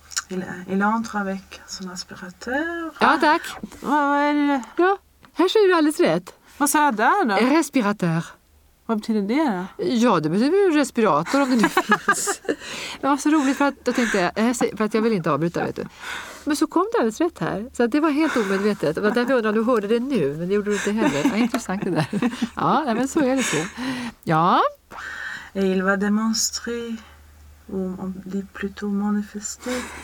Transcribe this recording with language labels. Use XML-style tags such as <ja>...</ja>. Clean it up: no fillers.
<fr>Il entre avec son aspirateur.</fr> <sv>Ja, tack. Ja, här ser du alldeles rätt. Vad säger du där då? Respirator. Vad betyder det då? Ja, det betyder ju respirator om det nu finns. Det var så roligt för att jag vill inte avbryta, vet du. Men så kom det alldeles rätt här. Så det var helt omedvetet. Det var därför jag undrar om du hörde det nu, men det gjorde du inte heller. Ja, intressant det där. Ja, nej, men så är det så. Ja.</sv> <fr>Il va demonstrer ou plutôt manifester.</fr>